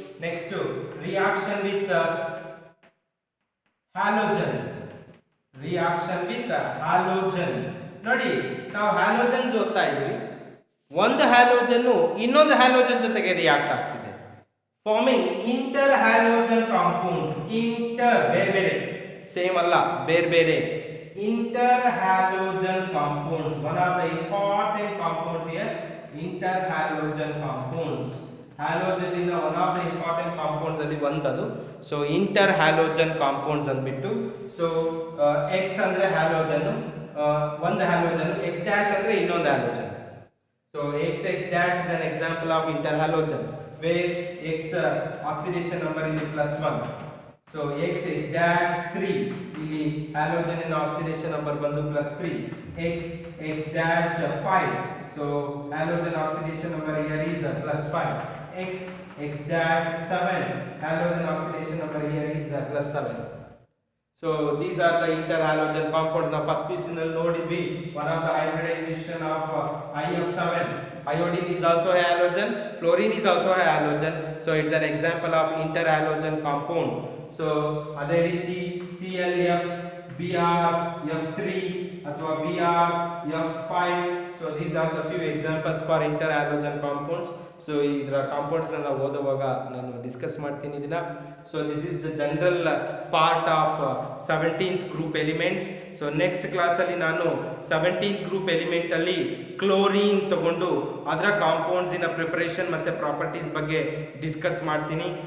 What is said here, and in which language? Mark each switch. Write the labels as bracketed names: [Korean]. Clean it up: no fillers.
[English] Next reaction with halogen, reaction with halogen. [Kannada] ನೋಡಿ ನಾವು halogens ಓದ್ತಾ ಇದ್ವಿ, ಒಂದು ಹ್ಯಾಲೋಜನ್ ಇನ್ನೊಂದು ಹ್ಯಾಲೋಜನ್ ಜೊತೆಗೆ ರಿಯಾಕ್ಟ್ ಆಗ್ತಿದೆ, [English] Forming inter halogen compound. [Kannada] Inter ಬೇರೆ ಬೇರೆ, ಸೇಮ್ ಅಲ್ಲ ಬೇರೆ ಬೇರೆ. [English] Inter halogen compounds, one of the important compounds here inter halogen compounds. Halogen in one of the important compounds [Kannada] ಅಲ್ಲಿ ಒಂದದು. ಸೊ ಇಂಟರ್ ಹ್ಯಾಲೋಜನ್ ಕಾಂಪೌಂಡ್ಸ್ ಅಂದ್ಬಿಟ್ಟು, so X ಅಂದ್ರೆ halogen, ಒಂದು halogen, X dash ಅಂದ್ರೆ ಇನ್ನೊಂದು halogen. [English] So X X dash is an example of inter halogen, where X oxidation number ಇಲ್ಲಿ plus one. So X X dash three, ಇಲ್ಲಿ halogen in oxidation number ಬಂದು plus three. X X dash five, so halogen oxidation number here is plus five. X X dash seven, halogen oxidation number here is plus seven. So these are the inter-halogen compounds. Now first piece in the node B, one of the hybridization of IF7. Iodine is also a halogen, fluorine is also a halogen. So it's an example of inter-halogen compound. So adherity ClF, BrF3, atwa BrF5. So these are the few examples for inter-halogen compounds. [Kannada] So ಇದರ compounds ಎಲ್ಲ ಓದುವಾಗ ನಾನು discuss ಮಾಡ್ತೀನಿ ಇದನ್ನ. [English] So this is the general part of 17th group elements. [Kannada] So next ಕ್ಲಾಸಲ್ಲಿ ನಾನು 17th group ಎಲಿಮೆಂಟಲ್ಲಿ chlorine ತಗೊಂಡು ಅದರ ಕಾಂಪೌಂಡ್ಸ್ ಇನ ಪ್ರಿಪರೇಷನ್ ಮತ್ತು ಪ್ರಾಪರ್ಟೀಸ್ ಬಗ್ಗೆ ಡಿಸ್ಕಸ್ ಮಾಡ್ತೀನಿ.